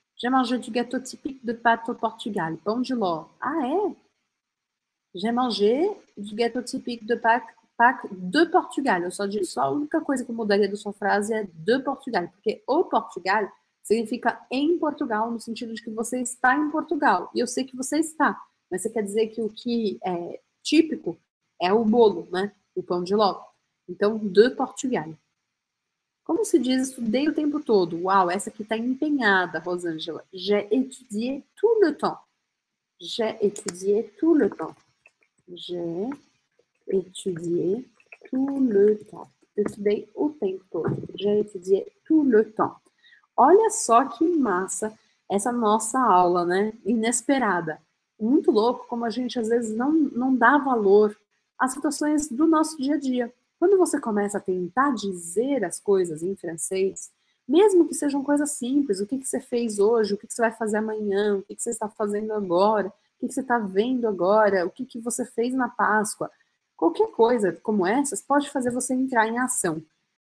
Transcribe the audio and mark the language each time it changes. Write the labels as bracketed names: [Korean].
[French] J'ai mangé du gâteau typique de pâte au Portugal. [Portuguese] Pão de ló. Ah, é? [French] J'ai mangé du gâteau typique de Pâques de Portugal. [Portuguese] Só a única coisa que eu mudaria da sua frase é de Portugal. Porque o Portugal significa em Portugal, no sentido de que você está em Portugal. E eu sei que você está. Mas você quer dizer que o que é típico é o bolo, né? O pão de ló. Então, de Portugal. Como se diz, estudei o tempo todo. Uau, essa aqui está empenhada, Rosângela. [French] J'ai étudié tout le temps. J'ai étudié tout le temps. J'ai étudié tout le temps. [Portuguese] Estudei o tempo todo. [French] J'ai étudié tout le temps. [Portuguese] Olha só que massa essa nossa aula, né? Inesperada. Muito louco como a gente às vezes não dá valor às situações do nosso dia a dia. Quando você começa a tentar dizer as coisas em francês, mesmo que sejam coisas simples, o que que você fez hoje, o que que você vai fazer amanhã, o que que você está fazendo agora, o que que você está vendo agora, o que que você fez na Páscoa, qualquer coisa como essas pode fazer você entrar em ação.